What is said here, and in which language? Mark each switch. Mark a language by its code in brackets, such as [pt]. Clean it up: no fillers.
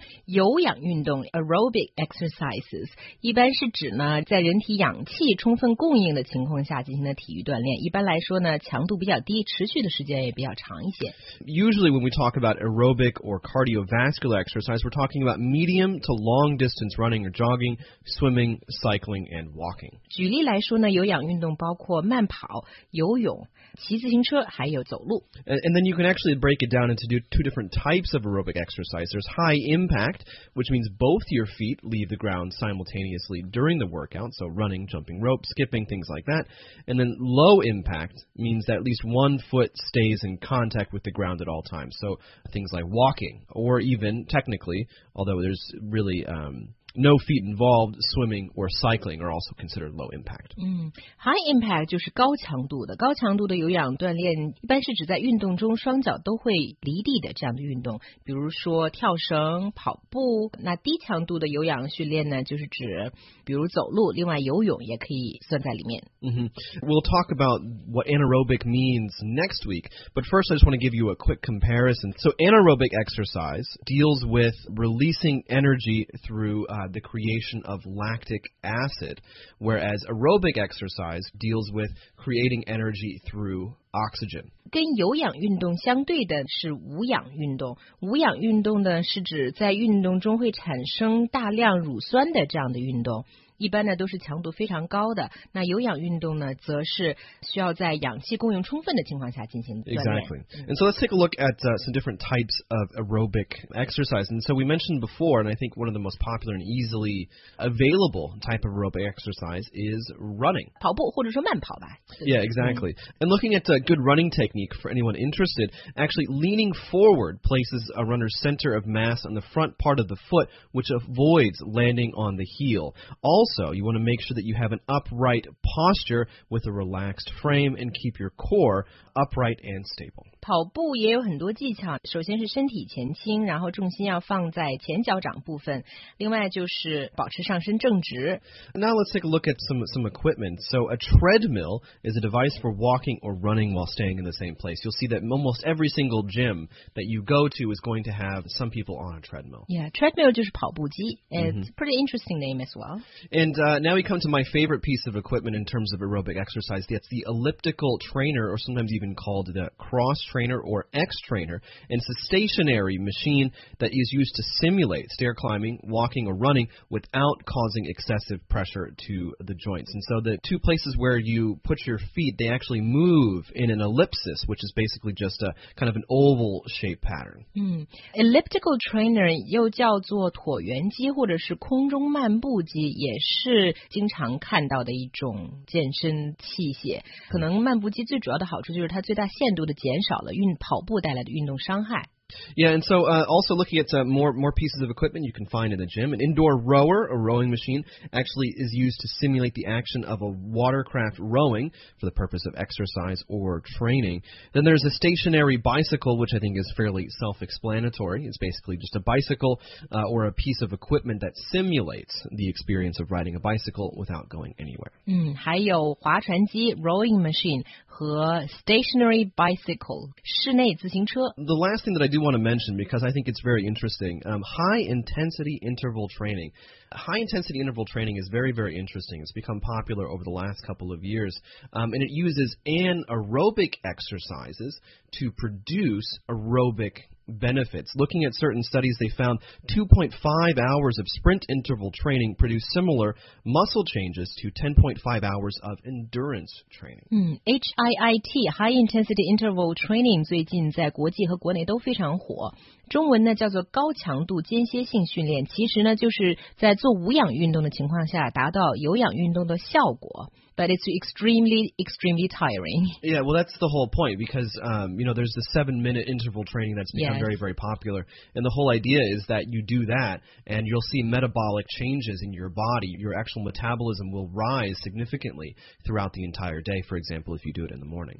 [zh] 有氧运动 [en] aerobic exercises [zh] 一般是指呢在人体氧气充分供应的情况下进行的体育锻炼一般来说呢强度比较低持续的时间也比较长一些 [en] Usually when we talk about aerobic or cardiovascular exercise we're talking about medium to long distance running or jogging swimming, cycling and walking [zh] 举例来说呢有氧运动包括慢跑游泳骑自行车还有走路 [en] And then you can actually break it down into two different types of aerobic exercise there's high impact, which means both your feet leave the ground simultaneously during the workout, so running, jumping rope, skipping, things like that. And then low impact means that at least one foot stays in contact with the ground at all times, so things like walking, or even technically, although there's really... No feet involved, swimming or cycling are also considered low impact. High impact [zh] 就是高强度的。高强度的有氧锻炼一般是指在运动中双脚都会离地的这样的运动。比如说跳绳、跑步。那低强度的有氧训练呢就是指比如走路另外游泳也可以算在里面。 [en] We'll talk about what anaerobic means next week, but first I just want to give you a quick comparison. So anaerobic exercise deals with releasing energy throughthe creation of lactic acid, whereas aerobic exercise deals with creating energy through oxygen. [zh] 跟有氧运动相对的是无氧运动。无氧运动呢是指在运动中会产生大量乳酸的这样的运动。一般呢都是强度非常高的。那有氧运动呢则是需要在氧气供应充分的情况下进行锻炼。 [en] Exactly. And so let's take a look at some different types of aerobic exercise. And so we mentioned before, and I think one of the most popular and easily available type of aerobic exercise is running. [zh] 跑步或者说慢跑吧。 [en] Yeah, exactly. And looking at a good running technique for anyone interested, actually leaning forward places a runner's center of mass on the front part of the foot, which avoids landing on the heel. Also, you want to make sure that you have an upright posture with a relaxed frame and keep your core upright and stable. [zh] 跑步也有很多技巧，首先是身体前倾，然后重心要放在前脚掌部分，另外就是保持上身正直。 [en] Now let's take a look at some equipment. So a treadmill is a device for walking or running while staying in the same place. You'll see that almost every single gym that you go to is going to have some people on a treadmill. Yeah, treadmill [zh] 就是跑步机 [en] It's a pretty interesting name as well. And now we come to my favorite piece of equipment in terms of aerobic exercise. That's the elliptical trainer, or sometimes even called the cross trainer or X trainer. And it's a stationary machine that is used to simulate stair climbing, walking, or running without causing excessive pressure to the joints. And so the two places where you put your feet, they actually move in an ellipsis, which is basically just a kind of an oval shape pattern. [zh] Elliptical trainer 又叫做椭圆机或者是空中漫步机也是经常看到的一种健身器械。可能漫步机最主要的好处就是它最大限度地减少了跑步带来的运动伤害。 [en] Yeah, and so also looking at more pieces of equipment you can find in the gym, an indoor rower, a rowing machine, actually is used to simulate the action of a watercraft rowing for the purpose of exercise or training. Then there's a stationary bicycle, which I think is fairly self-explanatory. It's basically just a bicycle or a piece of equipment that simulates the experience of riding a bicycle without going anywhere. [zh] 还有划船机 rowing machine 和 stationary bicycle, 室内自行车。 [en] The last thing that I do want to mention, because I think it's very interesting, high-intensity interval training. High-intensity interval training is very, very interesting. It's become popular over the last couple of years, and it uses anaerobic exercises to produce aerobic benefits. Looking at certain studies, they found 2.5 hours of sprint interval training produce similar muscle changes to 10.5 hours of endurance training. [zh] HIIT, High Intensity Interval Training, 最近在国际和国内都非常火。中文呢叫做高强度间歇性训练，其实呢就是在做无氧运动的情况下达到有氧运动的效果。 [en] but it's extremely, extremely tiring. Yeah, well, that's the whole point because, you know, there's the 7-minute interval training that's become very, very popular. And the whole idea is that you do that and you'll see metabolic changes in your body. Your actual metabolism will rise significantly throughout the entire day, for example, if you do it in the morning.